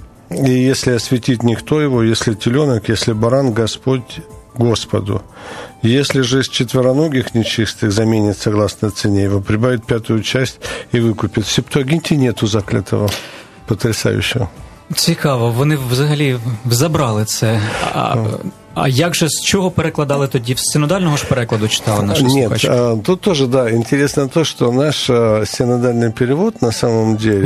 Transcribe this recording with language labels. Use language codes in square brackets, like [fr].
[ru] И если осветить никто его, если теленок, если баран, Господь Господу. Если же из четвероногих нечистых заменит согласно цене его, прибавит пятую часть и выкупит. В Септуагинте нету заклятого. Потрясающе. [uk] Цікаво. Вони взагалі забрали це. А як же, з чого перекладали тоді? В синодального ж перекладу читали наші слухачі? [ru] Нет, тут тоже, да, интересно то, что наш синодальный перевод на самом деле...